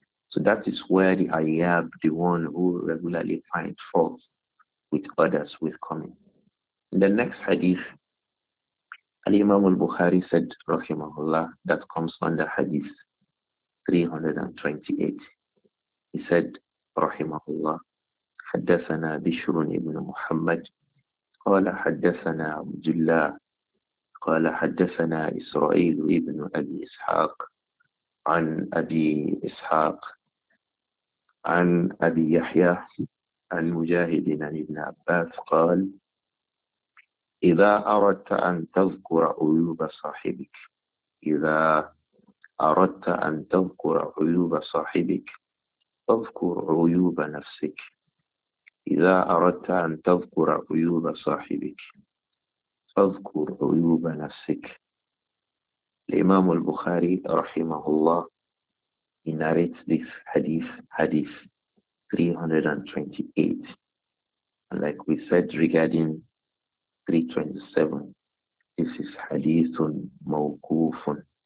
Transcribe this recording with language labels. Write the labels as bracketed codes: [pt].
[en] So that is where the ayyab, the one who regularly finds fault with others, will come in. In the next hadith, Al-Imam al-Bukhari said, rahimahullah, that comes under hadith 328. He said, [ar] rahimahullah, haddathana Bishrun ibn Muhammad, qala haddathana Abdullah, قال حدثنا إسرائيل ابن أبي إسحاق عن أبي إسحاق عن أبي يحيى عن مجاهد عن ابن عباس قال إذا أردت أن تذكر عيوب صاحبك إذا أردت أن تذكر عيوب صاحبك فاذكر عيوب نفسك إذا أردت أن تذكر عيوب صاحبك اذكر عيوب نفسك. الإمام البخاري رحمه الله [en] he narrates this hadith, hadith 328. Like we said regarding 327, this is حديث موقوف.